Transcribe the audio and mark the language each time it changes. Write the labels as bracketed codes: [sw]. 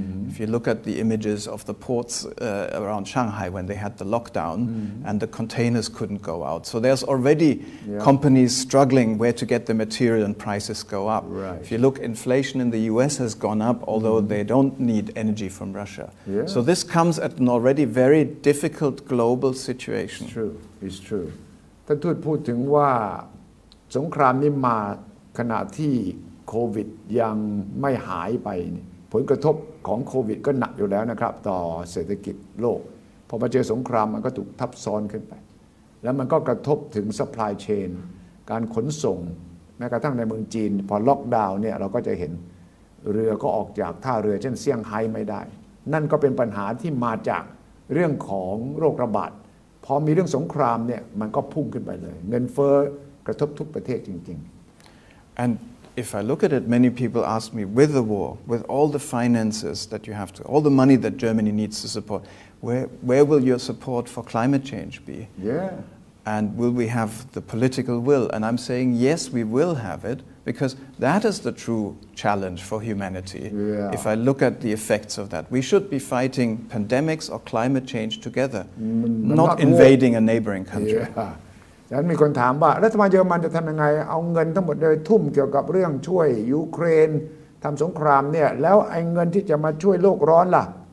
[en] If you look at the images of the ports around Shanghai when they had the lockdown and the containers couldn't go out. So there's already companies struggling where to get the material and prices go up. Right. If you look, inflation in the US has gone up, although they don't need energy from Russia. So this comes at an already very difficult global situation. It's true. It's true. [th] ท่านทูตว่าสงครามนี้มาขณะที่โควิดยังไม่หายไปผลกระทบของโควิดก็หนักอยู่แล้วนะครับต่อเศรษฐกิจโลกพอมาเจอสงครามมันก็ถูกทับซ้อนขึ้นไปแล้วมันก็กระทบถึงซัพพลายเชนการขนส่งแม้กระทั่งในเมืองจีนพอล็อกดาวน์เนี่ยเราก็จะเห็น เรือก็ออกจากท่าเรือเช่นเซี่ยงไฮ้ไม่ได้นั่นก็เป็นปัญหาที่มาจากเรื่องของโรคระบาดพอมีเรื่องสงครามเนี่ยมันก็พุ่งขึ้นไปเลยเงินเฟ้อกระทบทุกประเทศจริง [en] ๆ and if I look at it many people ask me with the war with all the finances that you have to all the money that Germany needs to support where will your support for climate change be and will we have the political will and I'm saying yes we will have it because that is the true challenge for humanity if I look at the effects of that we should be fighting pandemics or climate change together not invading a neighboring country [th] ดังนั้นมีคนถามว่ารัฐบาลเยอรมันจะทำยังไงเอาเงินทั้งหมดเลยทุ่มเกี่ยวกับเรื่องช่วยยูเครนทำสงครามเนี่ยแล้วไอ้เงินที่จะมาช่วยโลกร้อนล่ะ